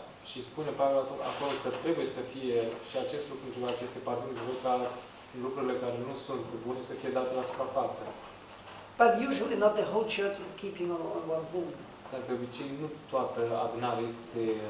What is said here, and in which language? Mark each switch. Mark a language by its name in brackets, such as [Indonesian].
[Romanian] Și spune Pavel acolo că trebuie să fie și acest lucru cu aceste partide, ca lucrurile care nu sunt bune să fie date la suprafață. [English] But usually not the whole church is keeping on one sin. [Romanian] Dar de obicei nu toată adunarea este